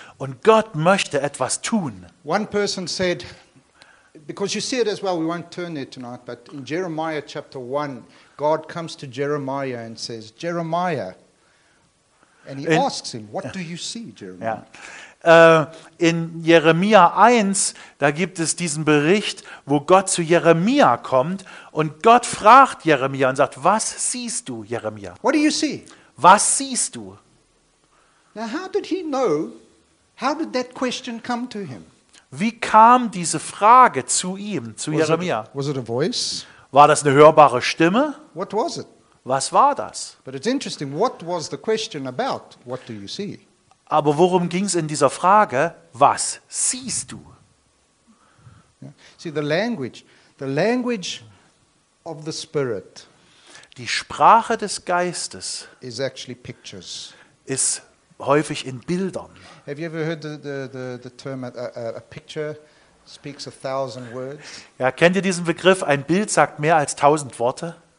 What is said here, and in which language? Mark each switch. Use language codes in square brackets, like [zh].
[de] Und Gott möchte etwas tun. [en] One person said, because you see it as well, we won't turn there tonight, but in Jeremiah chapter 1, God comes to Jeremiah and says, Jeremiah, and he asks him, what do you see, Jeremiah? Yeah. [de] In Jeremia 1, da gibt es diesen Bericht, wo Gott zu Jeremia kommt und Gott fragt Jeremia und sagt, was siehst du, Jeremia? [en] What do you see? [de] Was siehst du? [en] Now how did he know, how did that question come to him? [de] Wie kam diese Frage zu ihm, zu Jeremia? [en] Was it a voice? [de] War das eine hörbare Stimme? [en] What was it? [de] Was war das? [en] But it's interesting, what was the question about, what do you see? [de] Aber worum ging es in dieser Frage? Was siehst du? [en] See the language of the spirit. [de] Die Sprache des Geistes [en] is actually pictures. [de] Ist häufig in Bildern. [en] Have you ever heard the term a picture speaks 1,000 words? [de] Ja, kennt ihr diesen Begriff? Ein Bild sagt mehr als 1,000 Worte.